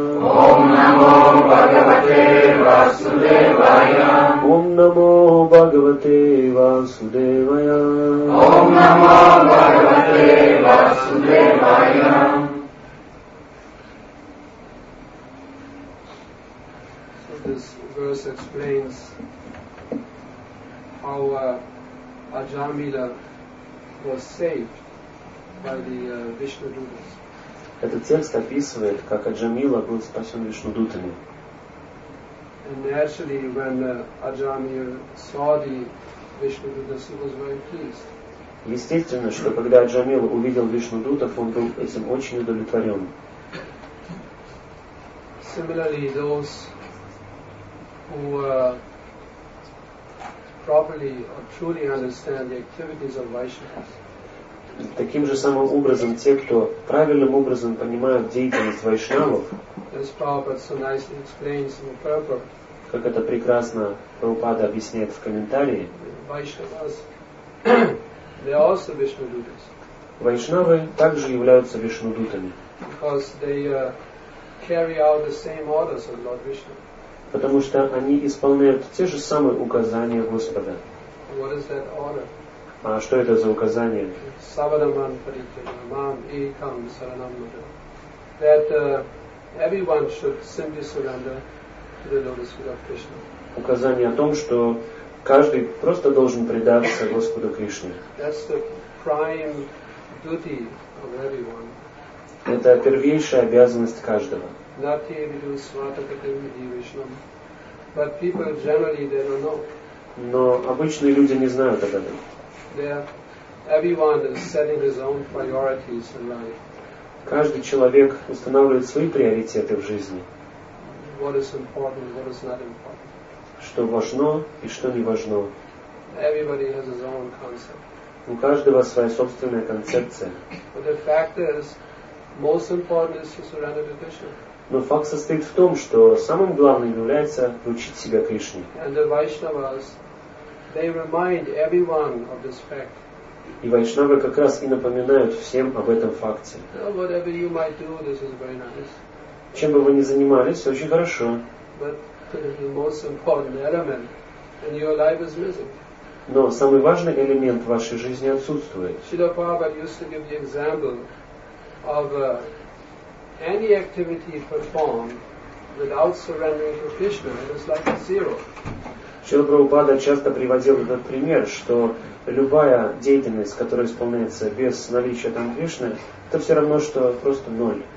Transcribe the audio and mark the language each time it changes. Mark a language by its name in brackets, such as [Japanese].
[Sanskrit] Ом намо Бхагавате Васудевая. Ом намо Бхагавате Васудевая. Ом намо Бхагавате Васудевая. [English] Verse explains how Ajamila was saved by the Vishnudutas. [Russian] Этот текст описывает, как Аджамила был спасен Вишнудутами. [English] And actually, when Ajamila saw the Vishnudutas, he was very pleased. [Russian] Естественно, что когда Аджамила увидел Вишнудутов, он был этим очень удовлетворен. [English] Similarly, those who properly or truly understand the activities of Vaishnavas. [Russian] Таким же самым образом те, кто правильным образом понимают деятельность вайшнавов. [English] As Prabhupada so nicely explains in the purport. [Russian] Как это прекрасно Прабхупада объясняет в комментарии. [English] Vaishnavas, they are also Vishnudutas. [Russian] Вайшнавы также являются вишнудутами. [English] Because they carry out the same orders of Lord Vishnu. [Russian] Потому что они исполняют те же самые указания Господа. [English] What is that order? [Russian] А что это за указание? [Sanskrit] Savadaman Parityajamam Ekam Saranam Mudra. [English] That everyone should simply surrender to the lotus feet of Krishna. [Russian] Указание о том, что каждый просто должен предаться Господу Кришне. [English] That's the prime duty of everyone. [Russian] Это первейшая обязанность каждого. [English] But people generally they don't know. [Russian] Но обычные люди не знают об этом. [English] Everyone is setting his own priorities in life. [Russian] Каждый человек устанавливает свои приоритеты в жизни. [English] What is important, what is not important. [Russian] Что важно и что не важно. [English] Everybody has his own concept. [Russian] У каждого своя собственная концепция. [English] But the fact is, most important is to surrender to Krishna. [Russian] Но факт состоит в том, что самым главным является учить себя Кришне. [English] And the Vaishnavas, they remind everyone of this fact. [Russian] И вайшнавы как раз и напоминают всем об этом факте. [English] Well, whatever you might do, this is very nice. [Russian] Чем бы вы ни занимались, очень хорошо. [English] But the most important element in your life is missing. [Russian] Но самый важный элемент в вашей жизни отсутствует. [English] Шрила Прабхупада used to give the example of any activity performed without surrendering to Krishna is like zero. [Russian] Шрила Прабхупада часто приводил этот пример, что любая деятельность, которая исполняется без наличия там Кришны, это все равно, что просто ноль.